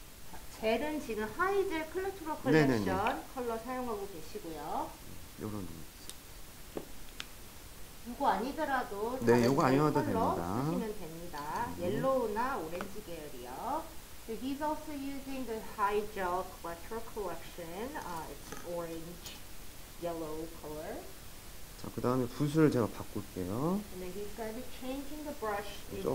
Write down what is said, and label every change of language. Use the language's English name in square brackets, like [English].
[Korean] 자, 젤은 지금 하이젤 클레트로 컬렉션 네네네. 컬러 사용하고 계시고요. 요런 이거 아니더라도 네, 이거 아니어도 컬러 됩니다. 쓰시면 됩니다. 옐로우나 오렌지 계열이요. [English] So he's also using the high gel collector collection. It's orange, yellow color. [Korean] 자, 그 다음에 붓을 제가 바꿀게요. [English] And then he's going to be changing the brush into smaller.